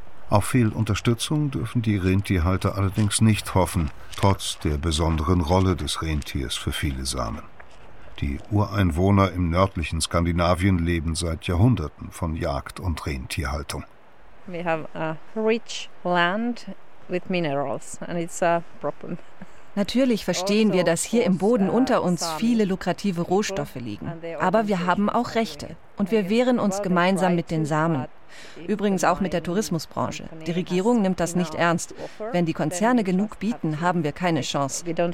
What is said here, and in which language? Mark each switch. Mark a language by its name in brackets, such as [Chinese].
[German] Auf viel Unterstützung dürfen die Rentierhalter allerdings nicht hoffen, trotz der besonderen Rolle des Rentiers für viele Samen. Die Ureinwohner im nördlichen Skandinavien leben seit Jahrhunderten von Jagd und Rentierhaltung. [English] We have a rich land with minerals and it's a problem. [German] Natürlich verstehen wir, dass hier im Boden unter uns viele lukrative Rohstoffe liegen. Aber wir haben auch Rechte und wir wehren uns gemeinsam mit den Samen. Übrigens auch mit der Tourismusbranche. Die Regierung nimmt das nicht ernst. Wenn die Konzerne genug bieten, haben wir keine Chance.